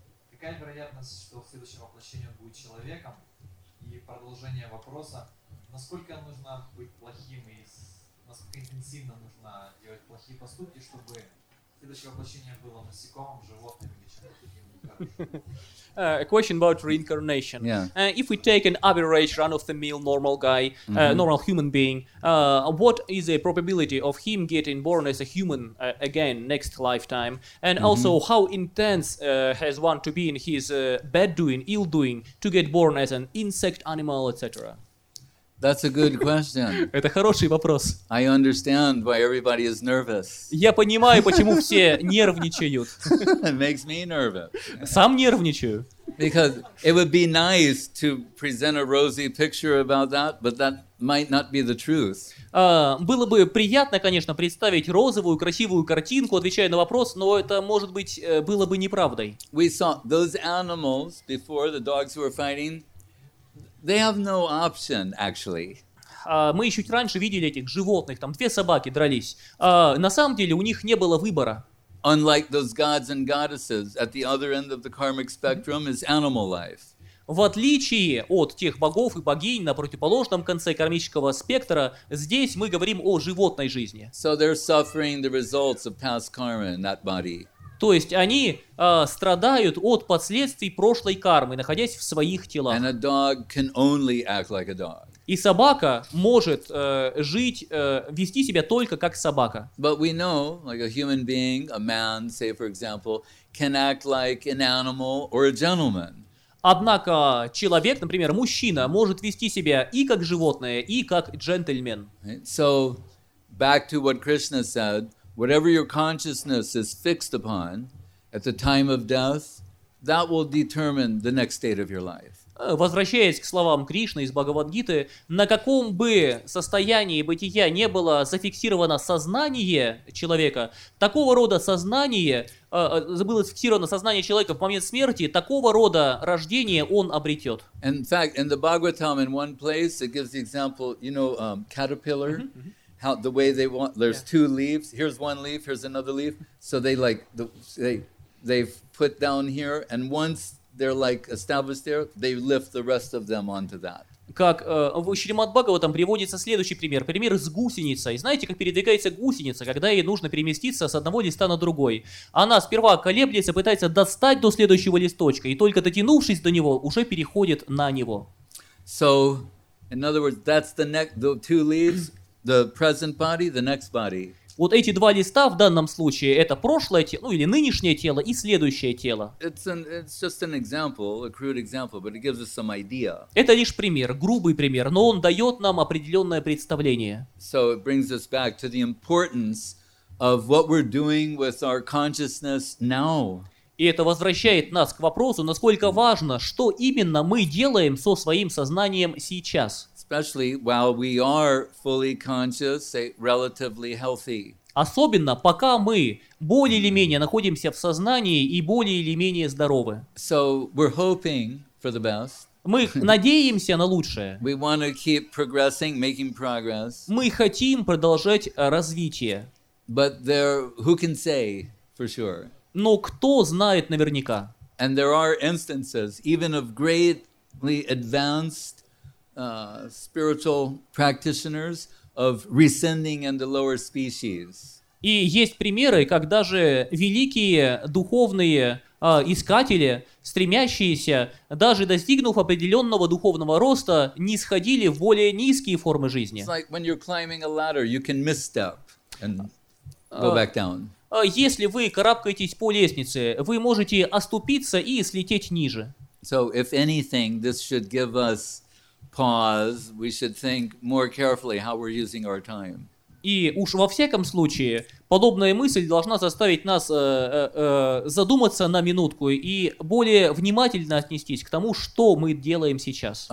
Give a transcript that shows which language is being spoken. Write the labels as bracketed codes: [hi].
[ru] Какая вероятность, что в следующем воплощении он будет человеком? И продолжение вопроса. Насколько нужно быть плохим и насколько интенсивно нужно делать плохие поступки, чтобы следующее воплощение было насекомым, животным или чем-то другим? [en] A question about reincarnation. Yeah. If we take an average run-of-the-mill normal guy, normal human being, what is the probability of him getting born as a human again next lifetime? And also, how intense has one to be in his bad-doing, ill-doing, to get born as an insect, animal, etc.? That's a good question. [ru] Это хороший вопрос. [en] I understand why everybody is nervous. [ru] Я понимаю, почему все нервничают. [en] It makes me nervous. [ru] Сам нервничаю. [en] Because it would be nice to present a rosy picture about that, but that might not be the truth. [ru] Было бы приятно, конечно, представить розовую, красивую картинку, отвечая на вопрос, но это, может быть, было бы неправдой. [en] We saw those animals before the dogs were fighting. They have no option, actually. [ru] Мы еще чуть раньше видели этих животных, там две собаки дрались. На самом деле у них не было выбора. [en] Unlike those gods and goddesses at the other end of the karmic spectrum is animal life. [ru] В отличие от тех богов и богинь на противоположном конце кармического спектра, здесь мы говорим о животной жизни. [en] So they're suffering the results of past karma in that body. [ru] То есть они страдают от последствий прошлой кармы, находясь в своих телах. [en] And a dog can only act like a dog. [ru] И собака может жить, вести себя только как собака. [en] But we know, like a human being, a man, say for example, can act like an animal or a gentleman. [ru] Однако человек, например, мужчина, может вести себя и как животное, и как джентльмен. [en] So, back to what Krishna said. Whatever your consciousness is fixed upon at the time of death, that will determine the next state of your life. [ru] Возвращаясь к словам Кришны из Бхагавад-гиты, на каком бы состоянии бытия не было зафиксировано сознание человека, такого рода сознание, было зафиксировано сознание человека в момент смерти, такого рода рождение он обретет. [en] In fact, in the Bhagavatam, in one place, it gives the example, you know, caterpillar, how the way they want, there's two leaves, here's one leaf, here's another leaf, so they like, they've put down here, and once they're like established there, they lift the rest of them onto that. [ru] Как в Шримад-Бхагаватам приводится следующий пример. Пример с гусеницей. Знаете, как передвигается гусеница, когда ей нужно переместиться с одного листа на другой? Она сперва колеблется, пытается достать до следующего листочка, и только дотянувшись до него, уже переходит на него. [en] So, in other words, that's the next, the two leaves, the present body, the next body. [ru] Вот эти два листа в данном случае это прошлое тело, ну или нынешнее тело и следующее тело. Это лишь пример, грубый пример, но он дает нам определенное представление. [en] So it brings us back to the importance of what we're doing with our consciousness now. [ru] И это возвращает нас к вопросу, насколько важно, что именно мы делаем со своим сознанием сейчас. [en] Especially while we are fully conscious, say, relatively healthy. [ru] Особенно пока мы более или менее находимся в сознании и более или менее здоровы. [en] So we're hoping for the best. [ru] Мы надеемся на лучшее. [en] We want to keep progressing, making progress. [ru] Мы хотим продолжать развитие. [en] But there, who can say for sure? [ru] Но кто знает наверняка? [en] And there are instances even of greatly advanced spiritual practitioners of rescinding into lower species. [ru] И есть примеры, как даже великие духовные искатели, стремящиеся, даже достигнув определенного духовного роста, нисходили в более низкие формы жизни. [en] It's like when you're climbing a ladder, you can misstep and go back down. [ru] Если вы карабкаетесь по лестнице, вы можете оступиться и слететь ниже. [en] So if anything, this should give us pause, we should think more carefully how we're using our time. [ru] И уж во всяком случае, подобная мысль должна заставить нас задуматься на минутку и более внимательно отнестись к тому, что мы делаем сейчас.